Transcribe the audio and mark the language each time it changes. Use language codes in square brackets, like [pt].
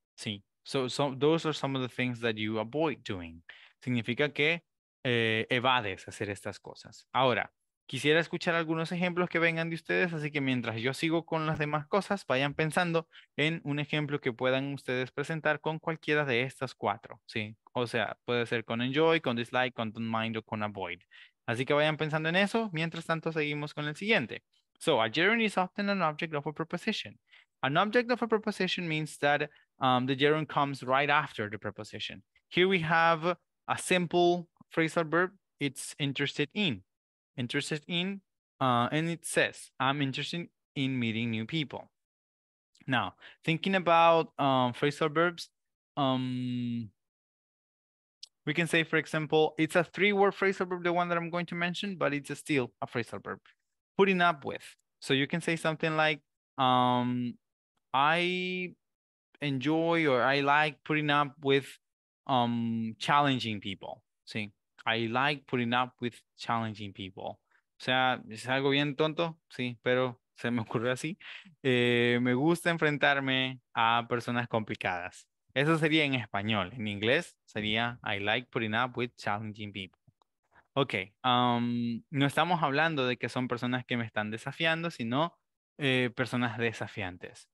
[en] See, so those are some of the things that you avoid doing. [es] Significa que evades hacer estas cosas. Ahora, quisiera escuchar algunos ejemplos que vengan de ustedes, así que mientras yo sigo con las demás cosas, vayan pensando en un ejemplo que puedan ustedes presentar con cualquiera de estas cuatro, ¿sí? O sea, puede ser con enjoy, con dislike, con don't mind o con avoid. Así que vayan pensando en eso, mientras tanto seguimos con el siguiente. [en] So, a gerund is often an object of a preposition. An object of a preposition means that the gerund comes right after the preposition. Here we have a simple phrasal verb, it's interested in. Interested in, and it says, I'm interested in meeting new people. Now, thinking about phrasal verbs, we can say, for example, it's a three-word phrasal verb, the one that I'm going to mention, but it's still a phrasal verb. Putting up with. So you can say something like, I enjoy or I like putting up with challenging people. See, I like putting up with challenging people. [es] O sea, es algo bien tonto, sí, pero se me ocurre así. Me gusta enfrentarme a personas complicadas. Eso sería en español. En inglés sería [en] I like putting up with challenging people. [es] Ok, no estamos hablando de que son personas que me están desafiando, sino personas desafiantes.